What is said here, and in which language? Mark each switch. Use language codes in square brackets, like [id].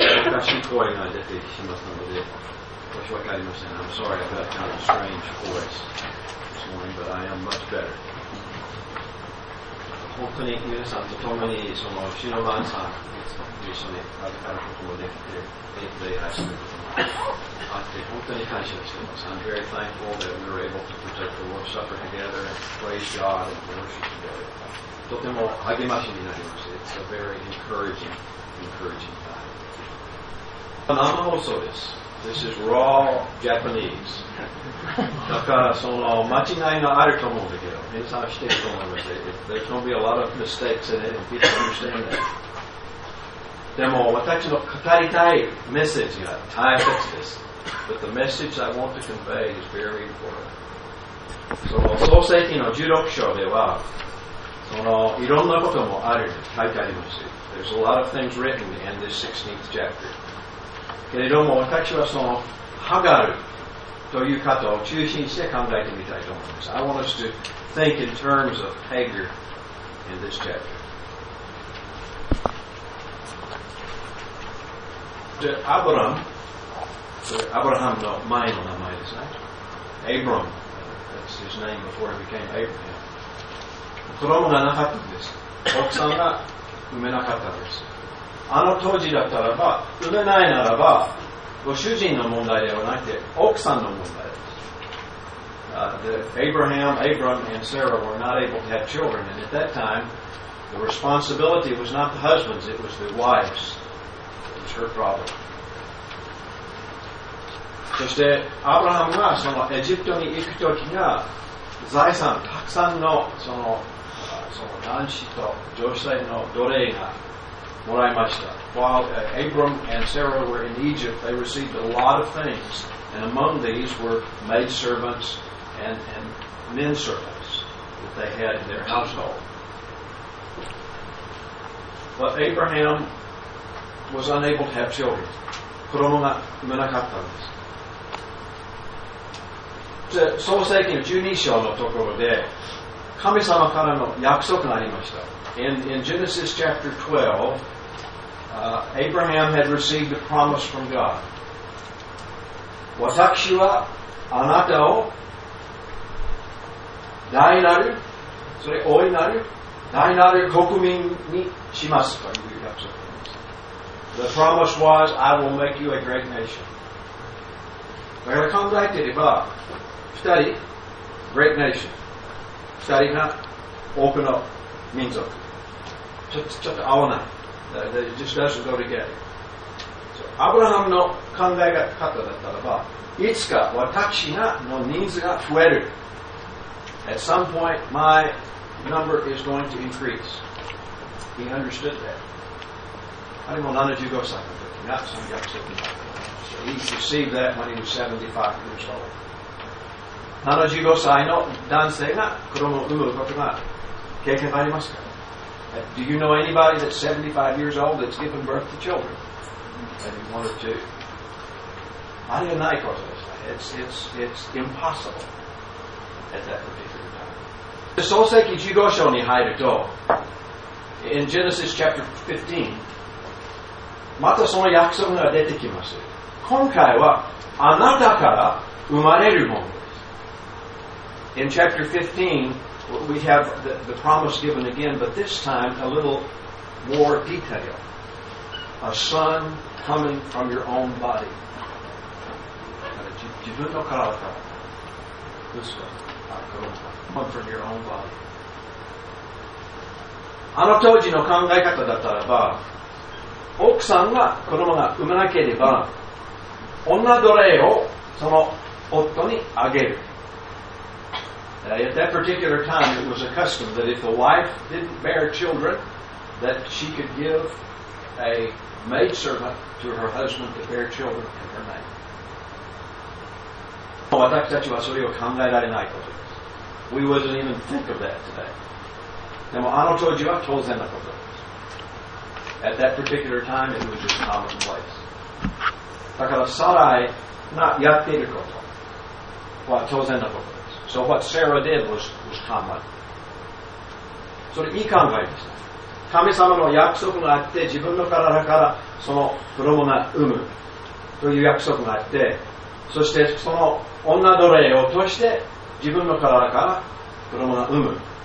[ja] 私の声が出てきますので、申し訳ありません。 [en] I'm sorry about that kind of strange voice this morning, but I am much better。 [ja] 本当に皆さんと共に、その主の晩餐一緒に預かることもできて、礼拝することもあって、本当に感謝しています。 [en] I'm very thankful that we were able to protect the Lord's Supper together and praise God and worship together。 [ja] とても励ましになりました。 [en] It's a very encouraging time。 [ja] 生放送です。 [en] This is raw Japanese。 [ja] だからその間違いがあると思うんだけど、皆さんは知っていると思います。 [en] There's going to be a lot of mistakes in it and people understand that。 [ja] でも私の語りたいメッセージが大切です。 [en] But the message I want to convey is very important。 [ja] その創世記の16章では、そのいろんなこともあると書いてあります。 [en] There's a lot of things written in this 16th chapter。 [ja] けれども私はそのハガルという方を中心して考えてみたいと思います。 [en] I want us to think in terms of Hagar in this chapter。 [ja] でアブラム、アブラハムの前の名前ですね。 [en] Abram、 that's his name before he became Abraham。 [ja] 子供がなかったんです。奥さんが産めなかったんです。あの当時だったらば、産めないならば、ご主人の問題ではなくて、奥さんの問題です。 [en] Abraham and Sarah were not able to have children, and at that time, the responsibility was not the husband's, it was the wife's. It was her problem. [ja] そして、アブラハムがそのエジプトに行くときが、財産、たくさんのその男子と女性の奴隷が、もらいました。 [en] While Abram and Sarah were in Egypt, they received a lot of things, and among these were maid servants and men servants that they had in their household. But Abraham was unable to have children. [ja] 子供が産めなかったんです。創世記の十二章のところで、神様からの約束がありました。 [en] In Genesis chapter 12,Abraham had received a promise from God. [ja] 私はあなたを大なる、それ大なる、大なる国民にしますという約束です。 [en] The promise was, I will make you a great nation. [ja] だから考えていれば、二人、 [en] great nation、 [ja] 二人が多くの民族、ちょっと合わない。 [en] That just doesn't go together. [ja] So, Abraham の考え方だったらば、いつか私がの人数が増える。 [en] At some point, my number is going to increase. He understood that. [ja] あれも75歳の時、なその約束になった。 [en] So, he received that when he was 75 years old. [ja] 75歳の男性が子供を産むことが経験がありますか？ [en] Do you know anybody that's 75 years old that's given birth to children? Maybe one or two. I don't know because of this. It's impossible at that particular time. [ja] 創世記15章に入ると、 [en] in Genesis chapter 15, [ja] またその約束が出てきます。今回はあなたから生まれるものです。 [en] In chapter 15,We have the promise given again, but this time a little more detail. A son coming from your own body. [ja] 自分の体から。息子。 [en] Come from your own body. [ja] あの当時の考え方だったらば、奥さんが子供が産めなければ、女奴隷をその夫にあげる。 [en] At that particular time, it was a custom that if a wife didn't bear children, that she could give a maid servant to her husband to bear children in her name. [ja] 私たちはそれを考えられないことです。 [en] We wouldn't even think of that today. [ja] でもあの当時は当然のことです。 [en] At that particular time, it was just commonplace. [ja] だからサライがやっていることは当然のことです。 [en] So what Sarah did was common. So [ja] それいい考えでした。神様の約束があって自分の体からその子供が産むという約束があって、そしてその女奴隷を通して自分の体から子供が産む。